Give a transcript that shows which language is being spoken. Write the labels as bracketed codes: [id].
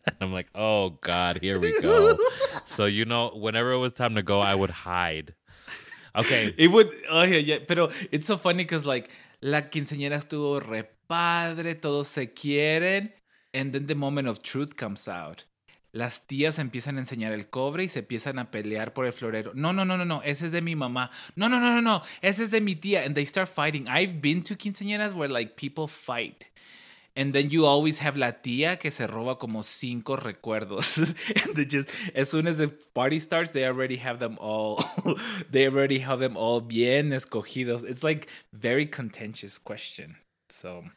[en] And I'm like, oh, God, here we go. So, you know, whenever it was time to go, I would hide. Okay. It would... Oh, yeah, [es] pero [en] it's so funny because, like, [es] la quinceañera estuvo re padre, todos se quieren. [en] And then the moment of truth comes out. [es] Las tías empiezan a enseñar el cobre y se empiezan a pelear por el florero. No, ese es de mi mamá. No, ese es de mi tía. [en] And they start fighting. I've been to quinceañeras where, like, people fight. And then you always have [es] la tía que se roba como cinco recuerdos. [en] And they just, as soon as the party starts, they already have them all. They already have them all [es] bien escogidos. [en] It's like very contentious question. So,